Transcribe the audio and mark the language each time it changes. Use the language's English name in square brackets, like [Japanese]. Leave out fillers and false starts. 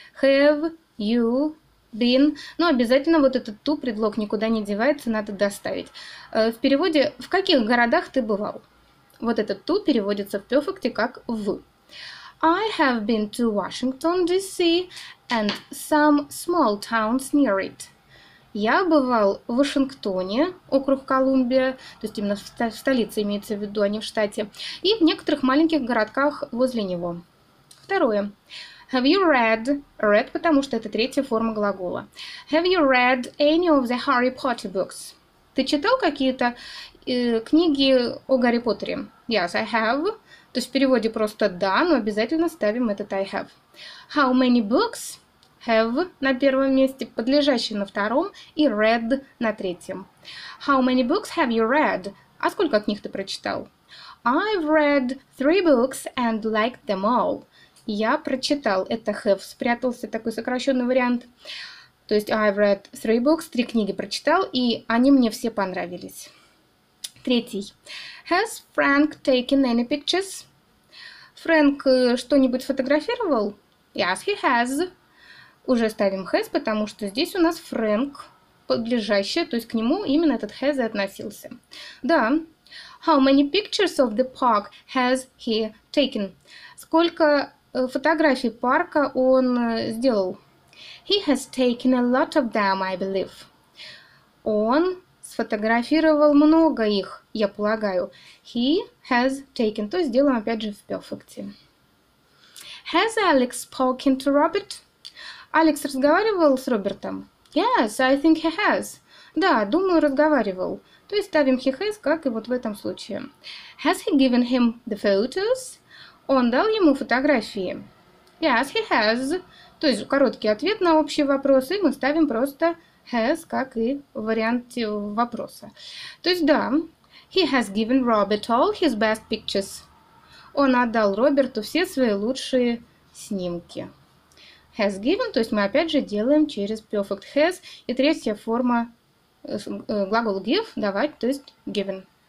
[English] Have you been? [Russian] Ну, обязательно вот этот to предлог никуда не девается, надо доставить. В переводе, в каких городах ты бывал? Вот этот to переводится в perfect как в. [English] I have been to Washington, D.C. and some small towns near it. [Russian] Я бывал в Вашингтоне, округ Колумбия, то есть именно в столице имеется в виду, а не в штате, и в некоторых маленьких городках возле него. Второе. [English] Have you read? [Russian] Read, потому что это третья форма глагола. [English] Have you read any of the Harry Potter books? [Russian] Ты читал какие-то книги о Гарри Поттере? [English] Yes, I have. [Russian] То есть в переводе просто «да», но обязательно ставим этот [English] «I have». How many books? [Russian] Have на первом месте, подлежащий на втором и read на третьем. [English] How many books have you read? [Russian] А сколько книг ты прочитал? [English] I've read 3 books and liked them all. [Russian] Я прочитал. Это have спрятался, такой сокращенный вариант. То есть [English] I've read 3 books, [Russian] 3 книги прочитал, и они мне все понравились. Третий. [English] Has Frank taken any pictures? [Russian] Фрэнк что-нибудь фотографировал? [English] Yes, he has. [Russian] Уже ставим has, потому что здесь у нас Фрэнк подлежащее, то есть к нему именно этот has и относился. Да. [English] How many pictures of the park has he taken? [Russian] Сколько фотографий парка он сделал? [English] He has taken a lot of them, I believe. [Russian] Он сфотографировал много их, я полагаю. [English] He has taken. [Russian] То есть сделаем опять же в перфекте. [English] Has Alex spoken to Robert? [Russian] Алекс разговаривал с Робертом? [English] Yes, I think he has. [Russian] Да, думаю, разговаривал. То есть ставим [English] he has, [Russian] как и вот в этом случае. [English] Has he given him the photos? [Russian] Он дал ему фотографии? [English] Yes, he has. [Russian] То есть короткий ответ на общий вопрос, и мы ставим просто has, как и в варианте вопроса. То есть, да, [English] he has given Robert all his best pictures. [Russian] Он отдал Роберту все свои лучшие снимки. Has given, то есть мы опять же делаем через perfect has. И третья форма глагола give, давать, то есть given.